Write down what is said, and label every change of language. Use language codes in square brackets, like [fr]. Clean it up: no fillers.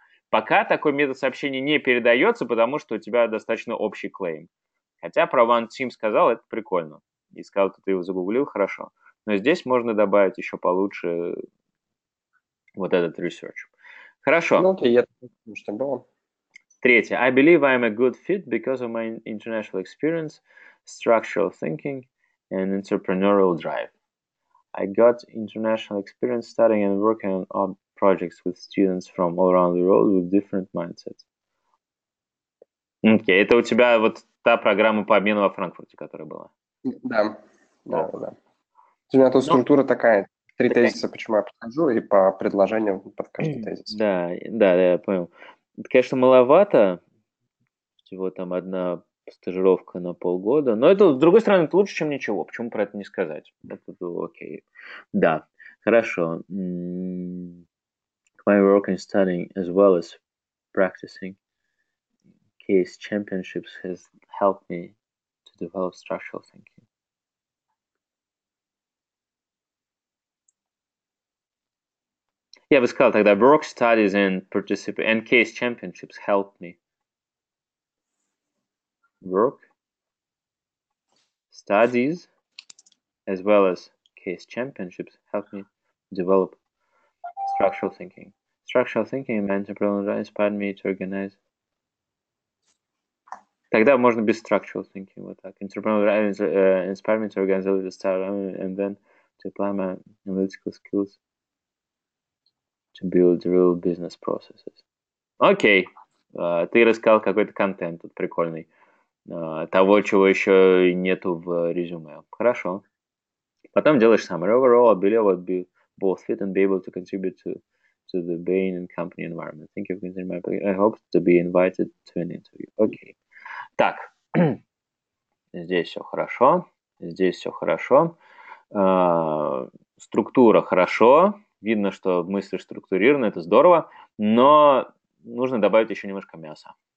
[ru] Пока такое мета-сообщение не передается, потому что у тебя достаточно общий клейм. Хотя про OneTeam сказал, это прикольно. И сказал, что ты его загуглил, хорошо. Но здесь можно добавить еще получше вот этот research. Хорошо. Ну, окей, я думаю, что было. Третье. [en] I believe I'm a good fit because of my international experience, structural thinking and entrepreneurial drive. I got international experience studying and working on odd projects with students from all around the world with different mindsets. [ru] Окей, это у тебя вот та программа по обмену во Франкфурте, которая была. Да, да, да. У меня тут структура такая, три тезиса, почему я подхожу, и по предложениям под каждый тезис. Да, да, да, я понял. Это, конечно, маловато, всего там одна стажировка на полгода, но это, с другой стороны, это лучше, чем ничего, почему про это не сказать? Это окей. Да, хорошо. [en] My work and studying as well as practicing. Case championships has helped me to develop structural thinking. [ru] Я бы сказал тогда, [en] work studies and participate and case championships helped me. Work studies as well as case championships helped me develop structural thinking. Structural thinking and entrepreneurship inspired me to organize. [ru] Тогда можно без [en] structural thinking, [ru] вот так. [en] Entrepreneurial inspired me to organize the startup and then to apply my analytical skills to build real business processes. [ru] Окей. Ты рассказал какой-то контент тут прикольный. Того, чего еще нету в резюме. Хорошо. Потом делаешь summary. [en] Overall, I believe I would be both fit and be able to contribute to the Bain and company environment. Thank you for considering my opinion. I hope to be invited to an interview. Окей. [ru] Так, здесь все хорошо, здесь все хорошо. Структура хорошо, видно, что мысли структурированы, это здорово, но нужно добавить еще немножко мяса.